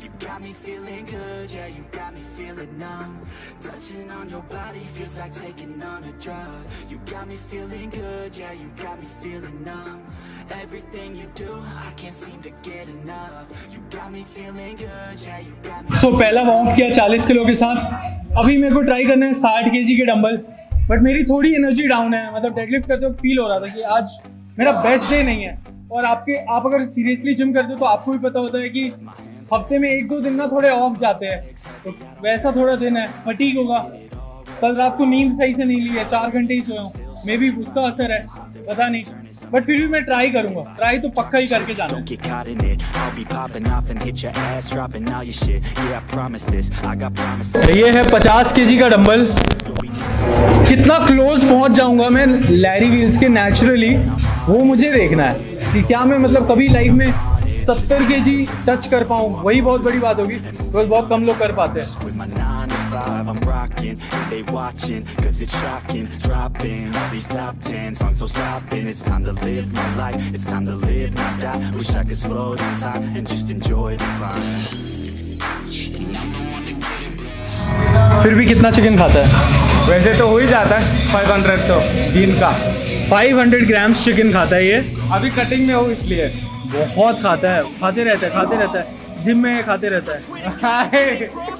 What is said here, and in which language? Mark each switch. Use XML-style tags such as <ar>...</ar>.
<en>You got me feeling good, yeah, you got me feeling numb. Touching on your body feels like taking on a drug. You got me feeling good, yeah, you got me feeling numb. Everything you do, I can't seem to get enough. You got me feeling good, yeah, you got me.</en> <hi>So pehla round kiya 40 kilo ke saath. Abhi mere ko try karna hai 60 kg ke dumbbell. But मेरी थोड़ी energy down है, मतलब deadlift करते वक्त feel हो रहा था कि आज मेरा बेस्ट डे नहीं है. और आपके आप अगर सीरियसली जिम करते हो तो आपको भी पता होता है कि हफ्ते में एक दो दिन ना थोड़े ऑफ जाते हैं, तो वैसा थोड़ा दिन है, फटीग होगा. कल रात को नींद सही से नहीं ली है, 4 घंटे ही सोया हूँ. मे बी उसका असर है, पता नहीं, बट फिर भी मैं ट्राई करूंगा. ट्राई तो पक्का ही करके जाऊंगा. ये है 50 kg का डंबल. कितना क्लोज पहुंच जाऊंगा मैं लैरी व्हील्स के नेचुरली, वो मुझे देखना है कि क्या मैं मतलब कभी लाइफ में 70 kg टच कर पाऊँ. वही बहुत बड़ी बात होगी, बिकॉज बहुत कम लोग कर पाते हैं.</hi> <en>I'm rocking, they watching, cause it's shocking. Dropping all these top 10 songs, so stopping. It's time to live my life, it's time to live my die. Wish I could slow down time and just enjoy the climb. And I'm the one to get it.</en> <hi>फिर भी कितना chicken खाता है? वैसे तो हो ही जाता है 500 तो दिन का. 500 grams चिकन खाता है ये. अभी कटिंग में हो इसलिए. बहुत खाता है, खाते रहता है. जिम में खाते रहता है.</hi>